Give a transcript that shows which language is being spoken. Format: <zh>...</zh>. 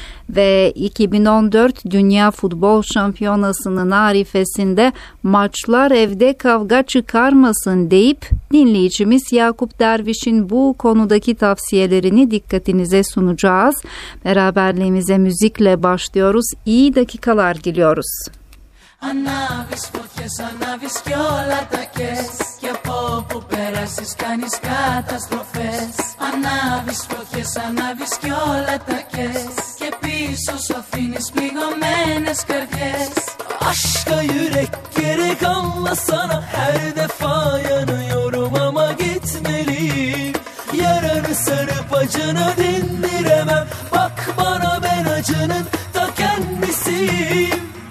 <tr>Ve 2014 Dünya Futbol Şampiyonası'nın arifesinde maçlar evde kavga çıkarmasın deyip dinleyicimiz Yakup Derviş'in bu konudaki tavsiyelerini dikkatinize sunacağız. Beraberliğimize müzikle başlıyoruz. İyi dakikalar diliyoruz.</tr> <el>Ανάβεις φωτιές, ανάβεις κι όλα τα κες. Κι από όπου περάσεις κάνεις καταστροφές. Ανάβεις φωτιές, ανάβεις κι όλα τα κες. Και πίσω σου αφήνεις πληγωμένες καρδιές.</el> <tr>Aşka yürek gerek anlasana. Her defa yanıyorum ama gitmeliyim. Yaranı sarıp acını dindiremem. Bak bana ben acının ta kendisiyim.</tr>